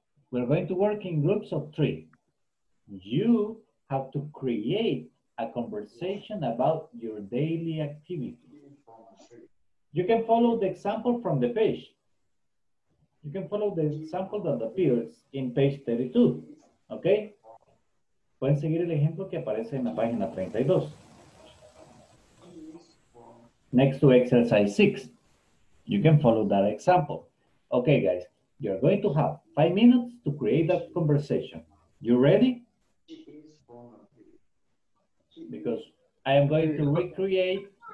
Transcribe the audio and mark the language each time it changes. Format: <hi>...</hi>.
<en>We're going to work in groups of 3. You have to create a conversation about your daily activity. You can follow the example from the page. You can follow the example that appears in page 32. Okay?</en> <es>Pueden seguir el ejemplo que aparece en la página 32.</es> <en>Next to exercise 6, you can follow that example. Okay, guys, you're going to have 5 minutes to create that conversation. You ready? Because I am going to recreate.</en>